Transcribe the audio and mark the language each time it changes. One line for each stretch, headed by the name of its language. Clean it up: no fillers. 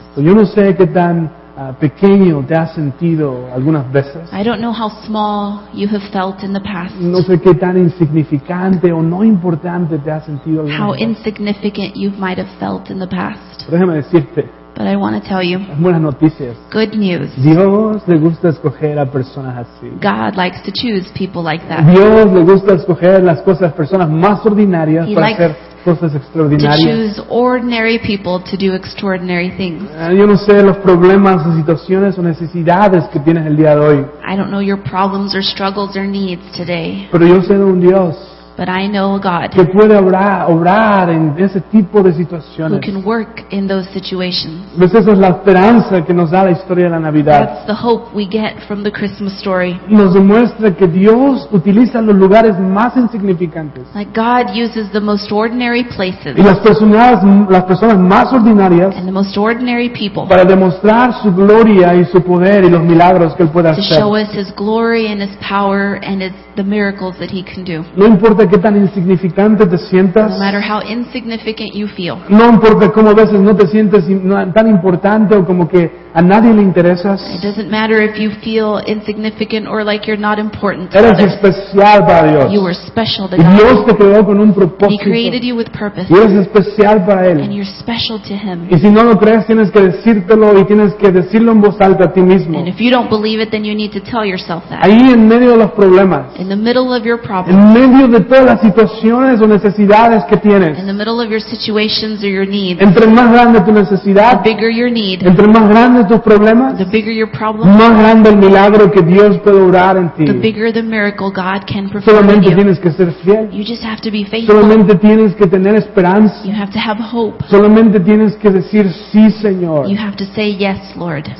Spanish: Yo no sé qué tan pequeño te has sentido algunas veces.
English: I don't know how small you have felt in the past.
Spanish: No sé qué tan insignificante o no importante te has sentido alguna vez.
English: How insignificant you might have felt in the past.
Spanish: Déjame decirte.
English: But I want to tell you.
Spanish: Buenas noticias.
English: Good news.
Spanish: Dios le gusta escoger a personas así.
English: God likes to choose people like that.
Spanish: Dios le gusta escoger las cosas, personas más ordinarias para hacer cosas extraordinarias.
English: To choose ordinary people to do extraordinary things.
Spanish: Yo no sé los problemas, situaciones o necesidades que tienes el día de hoy.
English: I don't know your problems or struggles or needs today.
Spanish: Pero yo sé de un Dios.
English: But I know a God
Spanish: que puede obrar en ese tipo de situaciones.
English: Who can work in those situations.
Spanish: Pues esa es la esperanza que nos da la historia de la Navidad.
English: That's the hope we get from the Christmas story.
Spanish: Nos demuestra que Dios utiliza los lugares más insignificantes.
English: Like God uses the most ordinary places.
Spanish: Y las personas más ordinarias.
English: And the most ordinary people.
Spanish: Para demostrar su gloria y su poder y los milagros que Él puede hacer.
English: To show us His glory and His power and His, the miracles that He can do.
Spanish: No importa qué tan insignificante te sientas.
English: No matter how insignificant you feel.
Spanish: No importa cómo a veces no te sientes tan importante o como que a nadie le interesas.
English: It doesn't matter if you feel insignificant or like you're not important.
Spanish: Eres especial para Dios.
English: You are special to God.
Spanish: Dios te creó con un propósito.
English: He created you with purpose.
Spanish: Y eres especial para Él.
English: And you're special to Him.
Spanish: Y si no lo crees, tienes que decírtelo y tienes que decirlo en voz alta a ti mismo.
English: And if you don't believe it, then you need to tell yourself that.
Spanish: Ahí en medio de los problemas.
English: In the middle of your problems.
Spanish: En medio de todas las situaciones o necesidades que tienes.
English: In the middle of your situations or your needs.
Spanish: Entre más grande tu necesidad,
English: the bigger your need.
Spanish: Entre más grande tus problemas,
English: the bigger your problem,
Spanish: más grande el milagro que Dios puede obrar en ti.
English: The bigger the miracle God can perform.
Spanish: Solamente tienes que ser fiel.
English: You just have to be faithful.
Spanish: Solamente tienes que tener esperanza.
English: You have to have hope.
Spanish: Solamente tienes que decir sí, Señor.
English: You have to say yes, Lord.